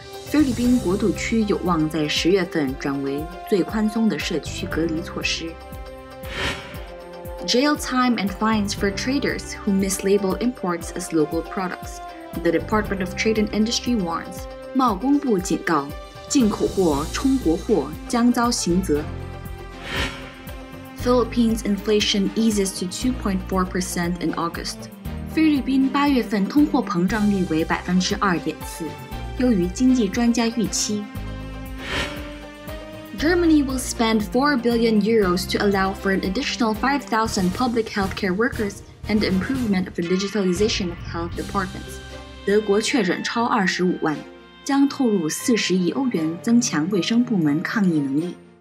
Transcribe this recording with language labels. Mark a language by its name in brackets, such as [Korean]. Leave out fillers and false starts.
[Chinese] 菲律宾国土区有望在十月份转为最宽松的社区隔离措施。 [English] Jail time and fines for traders who mislabel imports as local products. The Department of Trade and Industry warns. [Chinese] 贸工部警告，进口货充国货将遭刑责。 [English] Philippines inflation eases to 2.4% in August. [Chinese] 菲律宾八月份通货膨胀率为2.4%，优于经济专家预期。 [English] Germany will spend 4 billion euros to allow for an additional 5,000 public healthcare workers and the improvement of the digitalization of health departments. [Chinese] 德国确诊超250,000，将投入40亿欧元增强卫生部门抗疫能力。